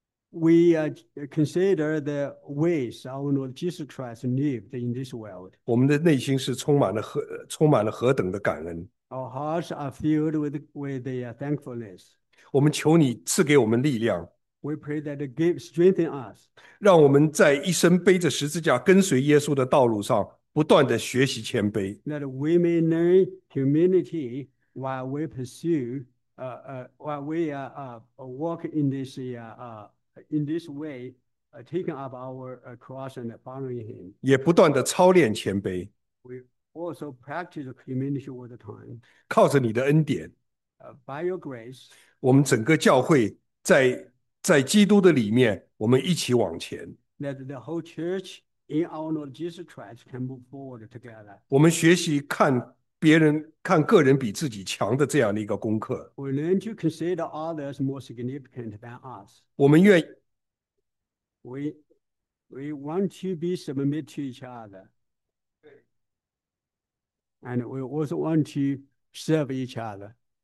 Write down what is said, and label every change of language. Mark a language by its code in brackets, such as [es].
[en] We consider the ways our Lord Jesus Christ lived in this world. [zh] 我们的内心是充满了何等的感恩。 [en] Our hearts are filled with thankfulness. [zh] 我们求你赐给我们力量， [en] We pray that it gives strength in us. [zh] 让我们在一生背着十字架跟随耶稣的道路上，不断的学习谦卑。 [en] That we may learn humility while we pursue, while we walk in this way, taking up our cross and following Him. [zh] 也不断的操练谦卑， [en] We also practice humility all the time. [zh] 靠着你的恩典， [en] By your grace, [zh] 我们整个教会在基督的里面，我们一起往前。 [en] that the whole church in our Lord Jesus Christ can move forward together. [zh] 我们学习看别人，看个人比自己强的这样的一个功课。 [en] We learn to consider others more significant than us. [zh] 我们愿。 [en] We want to be submit to each other. And we also want to serve each other.